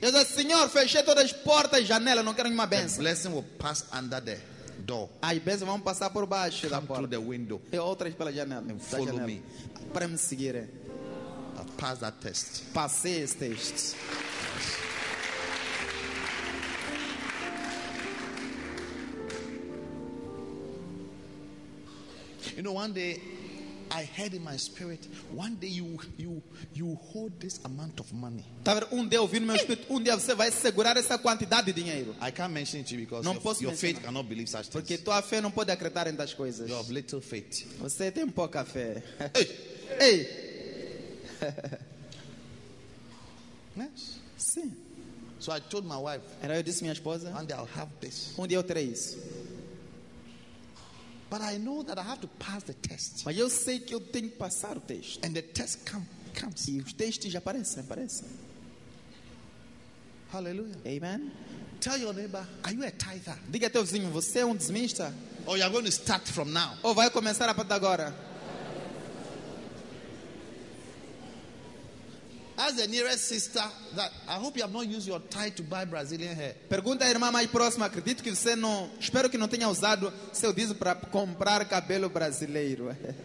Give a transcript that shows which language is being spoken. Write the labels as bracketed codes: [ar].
[pt] Eu disse, Senhor, fechei todas as portas, janelas, não quero nenhuma bênção. [en] A blessing will pass under there. [pt] As bênçãos vão passar por baixo da porta. [en] The window. [pt] E outras pela janela. [en] Follow [pt] janela. [en] Me. [pt] Para me seguir. [en] Pass that test. [pt] Passei esse teste. [en] You know, one day I heard in my spirit, one day you hold this amount of money. [pt] Tá vendo? Um dia eu vi no meu espírito, um dia você vai segurar essa quantidade de dinheiro. [en] I can't mention it to you because your faith cannot believe such things. [pt] Porque tua fé não pode acreditar em tais coisas. [en] You have little faith. [pt] Você tem pouca fé. [en] Hey. Yes. [pt] Sim. [en] So I told my wife. [pt] Era eu disse minha esposa. [en] One day I'll have this. [pt] Um dia eu terei isso. [en] But I know that I have to pass the test. [pt] Mas eu sei que eu tenho que passar o teste. [en] And the test comes. [pt] E os testes já aparecem. [en] Hallelujah. Amen. Tell your neighbor, are you a tither? [pt] Diga teu vizinho, você é dizimista? [en] Or you are going to start from now? [pt] Ou vai começar a partir de agora? [en] Ask the nearest sister that I hope you have not used your tie to buy Brazilian hair. [pt] Pergunta à irmã mais próxima. Acredito que você não. Espero que não tenha usado seu dízimo para comprar cabelo brasileiro.